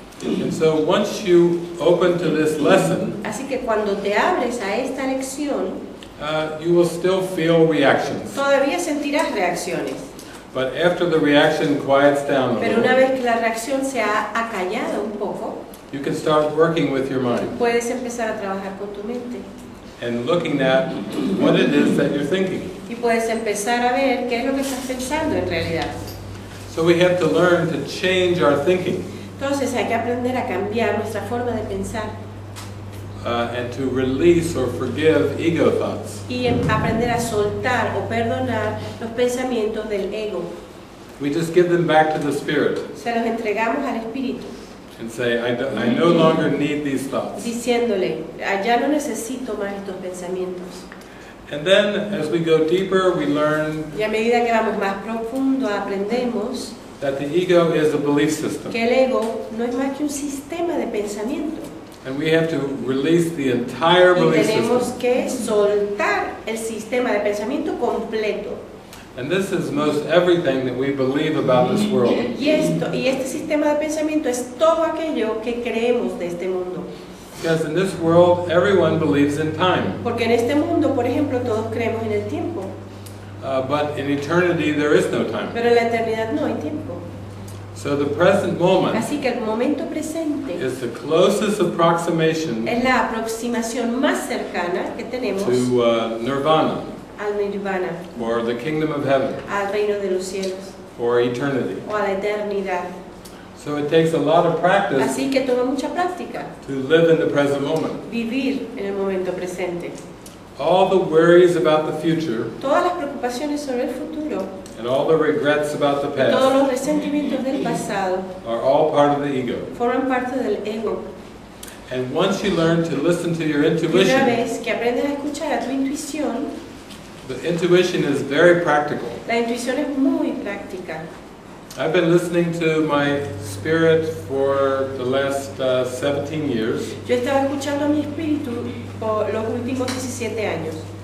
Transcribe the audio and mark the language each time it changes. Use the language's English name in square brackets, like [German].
[English] And so once you open to this lesson, [Spanish] así que cuando te abres a esta lección, [English] you will still feel reactions. [Spanish] Todavía sentirás reacciones. [English] But after the reaction quiets down, [Spanish] pero una vez que la reacción se ha acallado un poco, [English] you can start working with your mind. [Spanish] Puedes empezar a trabajar con tu mente. [English] And looking at what it is that you're thinking. [Spanish] Y puedes empezar a ver qué es lo que estás pensando en realidad. [English] So we have to learn to change our thinking. [Spanish] Entonces hay que aprender a cambiar nuestra forma de pensar. [English] And to release or forgive ego thoughts. [Spanish] Y aprender a soltar o perdonar los pensamientos del ego. [English] We just give them back to the spirit. [Spanish] Se los entregamos al espíritu. [English] And say, I no longer need these thoughts. [Spanish] Diciéndole, ya no necesito más estos pensamientos. [English] And then, as we go deeper, we learn. [Spanish] Y a medida que vamos más profundo, aprendemos. [English] That the ego is a belief system. [Spanish] Que el ego no es más que un sistema de pensamiento. [English] And we have to release the entire belief system. [Spanish] Y tenemos que soltar el sistema de pensamiento completo. [English] And this is most everything that we believe about this world. [Spanish] Y este sistema de pensamiento es todo aquello que creemos de este mundo. [English] Because in this world, everyone believes in time. [Spanish] Porque en este mundo, por ejemplo, todos creemos en el tiempo. [English] But in eternity, there is no time. [Spanish] Pero en la eternidad no hay tiempo. [English] So the present moment. [Spanish] Así que el momento presente. [English] Is the closest approximation. [Spanish] Es la aproximación más cercana que tenemos. [English] To nirvana. [Spanish] Al nirvana. [English] Or the kingdom of heaven. [Spanish] Al reino de los cielos. [English] Or eternity. [Spanish] O a la eternidad. [English] So it takes a lot of practice. [Spanish] Así que toma mucha práctica. [English] To live in the present moment. [Spanish] Vivir en el momento presente. [English] All the worries about the future. [Spanish] Todas las preocupaciones sobre el futuro. [English] And all the regrets about the past. [Spanish] Todos los resentimientos del pasado. [English] Are all part of the ego. [Spanish] Forman parte del ego. [English] And once you learn to listen to your intuition. [Spanish] Y una vez que aprendes a escuchar a tu intuición. [English] The intuition is very practical. [Spanish] La intuición es muy práctica. [English] I've been listening to my spirit for the last 17 years. [Spanish] Yo estaba escuchando a mi espíritu por los últimos 17 años.